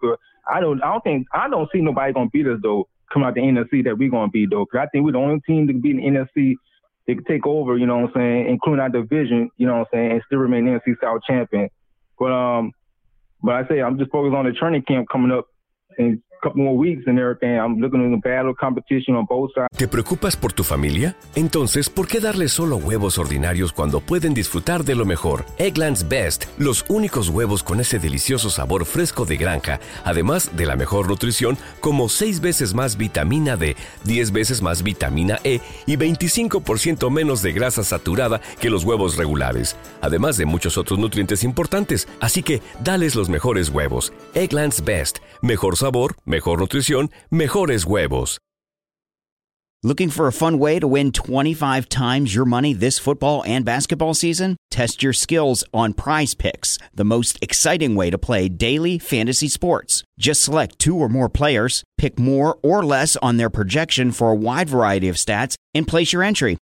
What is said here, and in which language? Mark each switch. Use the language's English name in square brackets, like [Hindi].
[English] But I don't see nobody going to beat us, though, come out the NFC that we're going to beat, though, because I think we're the only team to beat the NFC that could take over, you know what I'm saying, including our division, you know what I'm saying, and still remain NFC South champion. But I say I'm just focused on the training camp coming up and couple more weeks and everything. I'm looking at a battle competition on both sides. [Spanish] ¿Te preocupas por tu familia? Entonces, ¿por qué darles solo huevos ordinarios cuando pueden disfrutar de lo mejor? Eggland's Best, los únicos huevos con ese delicioso sabor fresco de granja. Además de la mejor nutrición, como 6 veces más vitamina D, 10 veces más vitamina E y 25% menos de grasa saturada que los huevos regulares. Además de muchos otros nutrientes importantes. Así que, dales los mejores huevos. Eggland's Best, mejor sabor, mejor nutrición, mejores huevos. [English] Looking for a fun way to win 25 times your money this football and basketball season? Test your skills on Prize Picks, the most exciting way to play daily fantasy sports. Just select two or more players, pick more or less on their projection for a wide variety of stats, and place your entry.